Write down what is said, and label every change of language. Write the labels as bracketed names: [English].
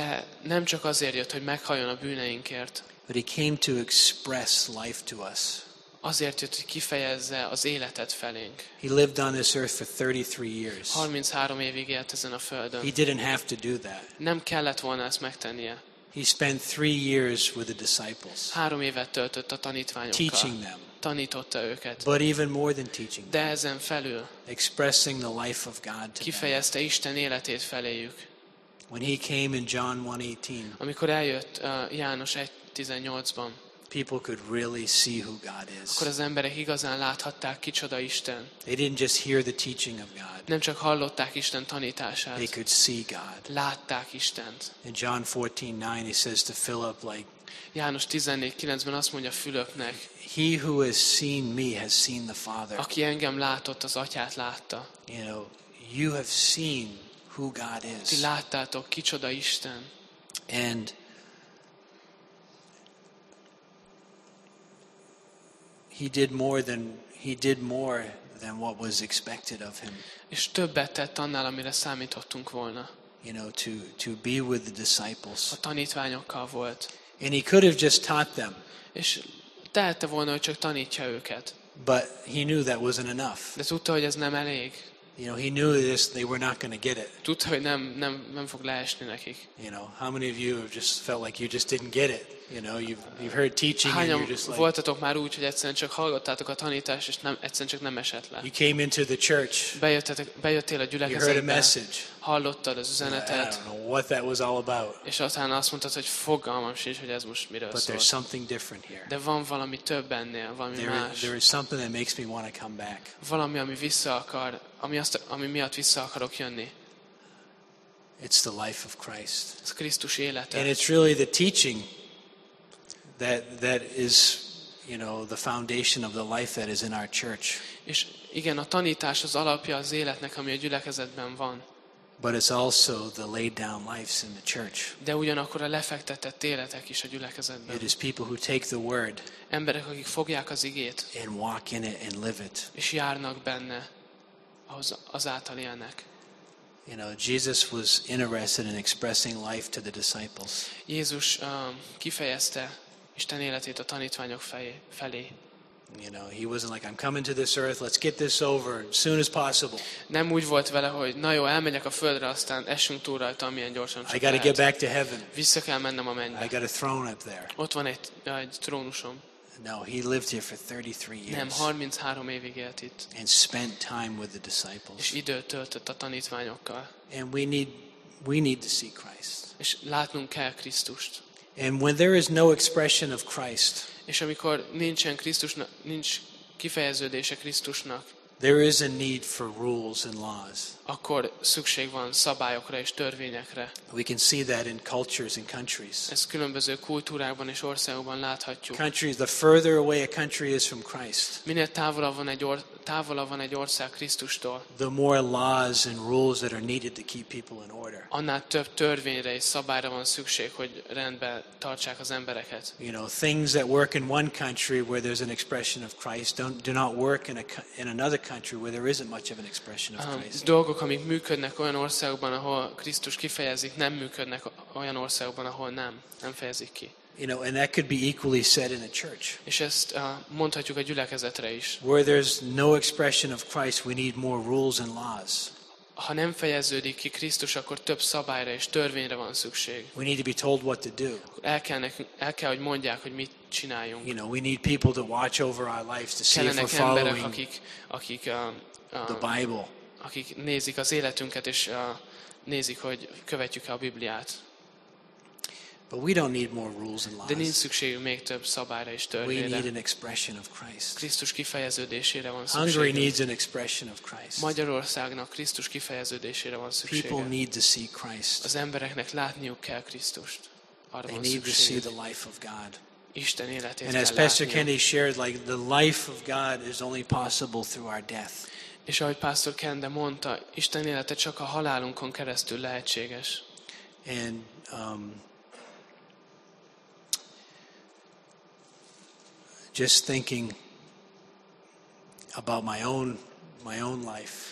[Hungarian] De nem csak azért jött, hogy meghaljon a bűneinkért. [English] But he came to express life to us. [Hungarian] Azért jött, hogy kifejezze az életet felénk. [English] He lived on this earth for 33 years. [Hungarian] 33 évig élt ezen a földön. [English] He didn't have to do that. [Hungarian] Nem kellett volna ezt megtennie. [English] He spent 3 years with the disciples. [Hungarian] 3 évet töltött a tanítványokkal. [English] Teaching them. [Hungarian] Tanította őket. [English] But even more than teaching them. [Hungarian] De ezen felül. [English] Expressing the life of God to them. [Hungarian] Kifejezte Isten életét feléjük. [English] When he came in John 1:18. [Hungarian] Amikor eljött János 1:18-ban. [English] People could really see who God is. [Hungarian] Akkor az emberek igazán láthatták, kicsoda Isten. [English] They didn't just hear the teaching of God. [Hungarian] Nem csak hallották Isten tanítását. [English] They could see God. [Hungarian] Látták Istent. [English] In John 14:9 he says to Philip, like, [Hungarian] János 14:9-ben azt mondja Fülöpnek, [English] he who has seen me has seen the Father. [Hungarian] Aki engem látott, az atyát látta. [English] You know, you have seen who God is. [Hungarian] Ti láttátok, kicsoda Isten. [English] And He did more than what was expected of him. [Hungarian] És többet tett annál, amire számítottunk volna. [English] you know, to be with the disciples. [Hungarian] A tanítványokkal volt. [English] And he could have just taught them. [Hungarian] És tehette volna, hogy csak tanítja őket. [English] But he knew that wasn't enough. [Hungarian] De tudta, hogy ez nem elég. [English] You know, he knew this, they were not going to get it. [Hungarian] Tudta, hogy nem fog leesni nekik. [English] You know, how many of you have just felt like you just didn't get it? You know, you've heard teaching and you're just like, [Hungarian] voltatok már úgy, hogy egyszerűen csak hallgattátok a tanítást, és nem egyszerűen csak nem esett le. [English] You came into the church. [Hungarian] Bejöttél a gyülekezetbe. [English] You heard a message. [Hungarian] Hallottad az üzenetet. [English] I don't know what that was all about. [Hungarian] És aztán azt mondtad, hogy fogalmam sincs, hogy ez most miről szólt. [English] But there's something different here. [Hungarian] De van valami több ennél, valami [English] there, [Hungarian] más. [English] There is something that makes me want to come back. [Hungarian] Valami, ami vissza akar, ami miatt vissza akarok jönni. [English] It's the life of Christ. [Hungarian] Ez Krisztus élete. [English] And it's really the teaching that is, you know, the foundation of the life that is in our church. [Hungarian] És igen, a tanítás az alapja az életnek, ami a gyülekezetben van. [English] But it's also the laid down lives in the church. [Hungarian] De ugyanakkor a lefektetett életek is a gyülekezetben. [English] It is people who take the word. [Hungarian] Emberek, akik fogják az igét. [English] And walk in it and live it. [Hungarian] És járnak benne, az által élnek. [English] You know, Jesus was interested in expressing life to the disciples. [Hungarian] Jézus kifejezte Isten életét a tanítványok felé. [English] You know, he wasn't like, I'm coming to this earth, let's get this over as soon as possible. [Hungarian] Nem úgy volt vele, hogy na jó, elmegyek a földre, aztán esünk túl rajta, amilyen gyorsan csak lehet. [English] I gotta get back to heaven. [Hungarian] Vissza kell mennem a mennybe. [English] I got a throne up there. [Hungarian] Ott van egy trónusom. [English] No, he lived here for 33 years. [Hungarian] Nem, 33 évig élt itt. [English] And spent time with the disciples. [Hungarian] És időt töltött a tanítványokkal. [English] And we need to see Christ. [Hungarian] És látnunk kell Krisztust. [English] And when there is no expression of Christ, [Hungarian] és amikor nincsen Krisztusnak, nincs kifejeződése Krisztusnak, [English] there is a need for rules and laws. [Hungarian] Akkor szükség van szabályokra és törvényekre. [English] We can see that in cultures and countries. [Hungarian] Ezt különböző kultúrákban és országokban láthatjuk. [English] Countries, the further away a country is from Christ, [Hungarian] minél távolabb van egy ország Krisztustól, [English] the more laws and rules that are needed to keep people in order. [Hungarian] Annál több törvényre és szabályra van szükség, hogy rendben tartsák az embereket. [English] You know, things that work in one country where there's an expression of Christ do not work in another country where there isn't much of an expression of Christ. [Hungarian] Dolgok, amik működnek olyan országban, ahol Krisztus kifejezik, nem működnek olyan országban, ahol nem fejezik ki. [English] You know, and that could be equally said in a church. [Hungarian] És ezt mondhatjuk a gyülekezetre is. [English] Where there's no expression of Christ, we need more rules and laws. [Hungarian] Ha nem fejeződik ki Krisztus, akkor több szabályra és törvényre van szükség. [English] We need to be told what to do. [Hungarian] El kell, hogy mondják, hogy mit csináljunk. [English] You know, we need people to watch over our lives to see if we're following. [Hungarian] Emberek, akik [English] the Bible. [Hungarian] Akik nézik az életünket és nézik, hogy követjük-e a Bibliát. [English] But we don't need more rules and laws. [Hungarian] De nincs szükségünk még több szabályra és törvényre. [English] We need an expression of Christ. [Hungarian] Krisztus kifejeződésére van szükség. [English] Hungary needs an expression of Christ. [Hungarian] Magyarországnak Krisztus kifejeződésére van szüksége. [English] People need to see Christ. [Hungarian] Az embereknek látniuk kell Krisztust. Arra [English] they [Hungarian] van [English] need [Hungarian] szükség. [English] To see the life of God. [Hungarian] Isten életét kell látni. [English] And as Pastor Kennedy shared, like the life of God is only possible through our death. [Hungarian] És ahogy Pastor Kende mondta, Isten élete csak a halálunkon keresztül lehetséges. [English] And just thinking about my own life.